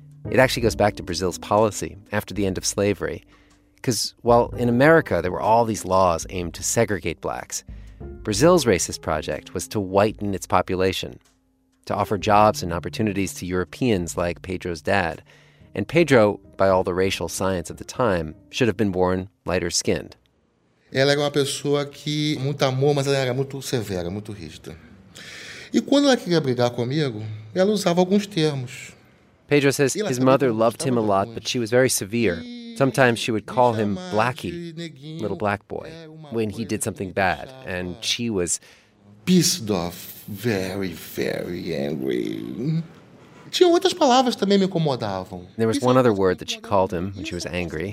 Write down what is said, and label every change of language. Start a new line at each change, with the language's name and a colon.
English: It actually goes back to Brazil's policy after the end of slavery. Because while in America there were all these laws aimed to segregate blacks, Brazil's racist project was to whiten its population. to offer jobs and opportunities to Europeans like Pedro's dad. And Pedro, by all the racial science at the time, should have been born lighter skinned.
Portuguese: Ela era uma pessoa que muito amor, mas ela era muito severa, muito rígida. E quando ela queria brigar comigo, ela usava alguns termos.
English: Pedro says his mother loved him a lot, but she was very severe. Sometimes she would call him Blackie, little black boy, when he did something bad, and she was pissed off, very, very angry.
Portuguese: Tinha outras palavras também me incomodavam.
English: There was one other word that she called him when she was angry.